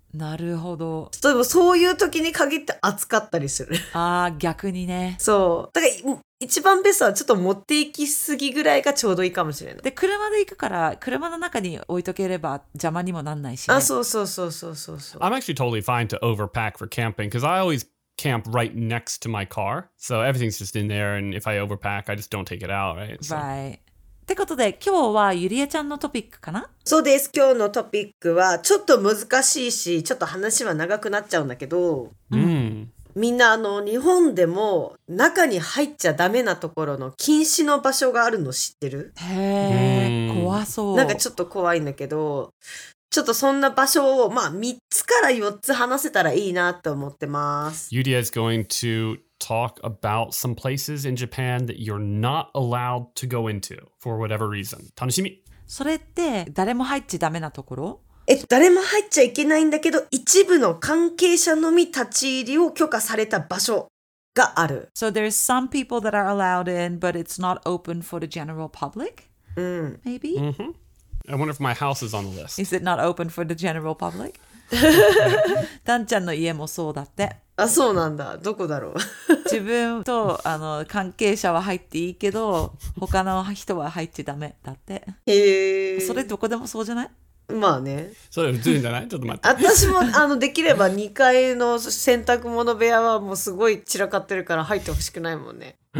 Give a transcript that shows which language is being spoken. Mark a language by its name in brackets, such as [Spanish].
[Japanese] なるほど。例えばそういう時に限って暑かったりする。あ、逆にね。そう、だから一番ベストはちょっと持っていきすぎぐらいがちょうどいいかもしれない。で、車で行くから車の中に置いとければ邪魔にもなんないし、ね、あ、そうそうそうそうそうそう。 [English] I'm actually totally fine to overpack for camping because I always camp right next to my car. So everything's just in there and if I overpack, I just don't take it out, right? So. Right. [Japanese] ってことで今日はゆりえちゃんのトピックかな？そうです。今日のトピックはちょっと難しいし、ちょっと話は長くなっちゃうんだけど。みんな、あの、日本でも中に入っちゃダメなところの禁止の場所があるの知ってる？へー、怖そう。なんかちょっと怖いんだけど、ちょっとそんな場所を、まあ、3つから4つ話せたらいいなと思ってます。 [English] Yudia is going to talk about some places in Japan that you're not allowed to go into for whatever reason. [Japanese] 楽しみ。それって誰も入っちゃダメなところ？誰も入っちゃいけないんだけど、一部の関係者のみ立ち入りを許可された場所がある。 [English] So there's some people that are allowed in, but it's not open for the general public? Maybe? I wonder if my house is on the list. Is it not open for the general public? [Japanese] ダンちゃんの家もそうだって。あ、そうなんだ。どこだろう。自分と、あの、関係者は入っていいけど、他の人は入っちゃダメだって。へぇ。それどこでもそうじゃない？まあね。それ普通じゃない？ちょっと待って。私も、あの、できれば2階の洗濯物部屋はもうすごい散らかってるから入ってほしくないもんね。